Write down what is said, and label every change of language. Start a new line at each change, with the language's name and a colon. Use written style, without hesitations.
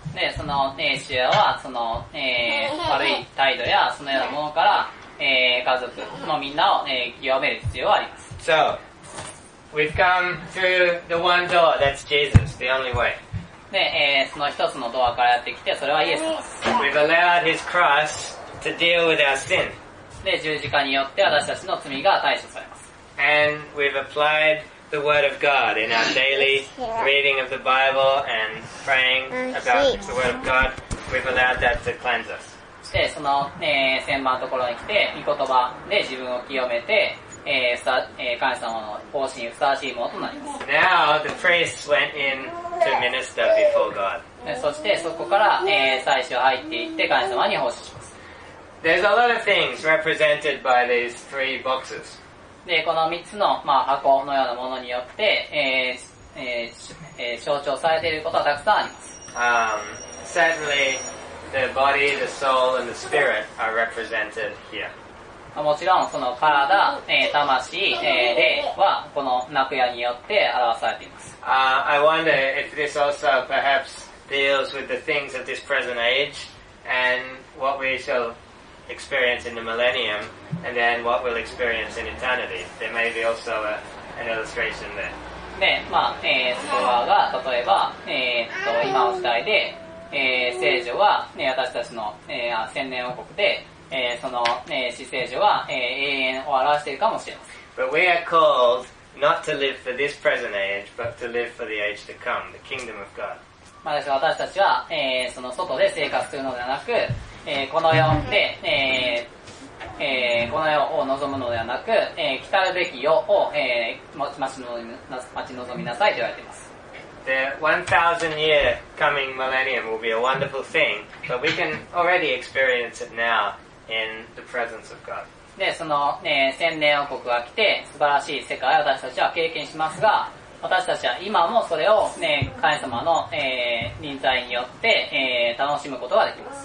Japanese: で、その、父親は、その、悪い態度や、そのようなものから、家族のみんなを、清める必要はあります。
English: So, we've come through the one door, that's Jesus, the only way.
Japanese: で、その一つのドアからやってきて、それはイエス様です。
English: We've allowed his cross to deal with our sin.
Japanese: で、十字架によって私たちの罪が対処されます。
English: And we've applied the word of God in our daily reading of the Bible and praying about the word of God. We've allowed that to cleanse us.
Japanese: で、その、千万のところに来て、御言葉で自分を清めて、神様の奉仕にふさわしいものとなります。
English: Now the priest went in to minister before God.
Japanese: そしてそこから、祭司入っていって神様に奉仕します。
English: There's a lot of things represented by these three boxes.
Japanese: で、この3つの、まあ、箱のようなものによって、象徴されていることはたくさんあります。
English: Certainly, the body, the soul, and the spirit are represented here.
Japanese: もちろんその体、魂、霊はこの幕屋によって表されています。
English: I wonder if this also perhaps deals with the things of this present age and what we shall experience in the millennium and then what we'll experience in eternity. There may be also an illustration there.
Japanese: で、まあ、そこはが例えば、今の時代で、聖女は、ね、私たちの、千年王国で、その、死聖女は、永遠を表しているかもしれません。
English: But we are called not to live for this present age, but to live for the age to come, the kingdom of God.
Japanese: まあ、私たちは、その外で生活するのではなく、この世で、この世を望むのではなく、来たるべき世を、待ち望みなさいと言われています。
English: The 1000 year coming millennium will be a wonderful thing, but we can already experience it now. In the presence of God.
Japanese: で、その、千年王国が来て、素晴らしい世界を私たちは経験しますが、私たちは今もそれを、神様の、臨在によって、楽しむことができます。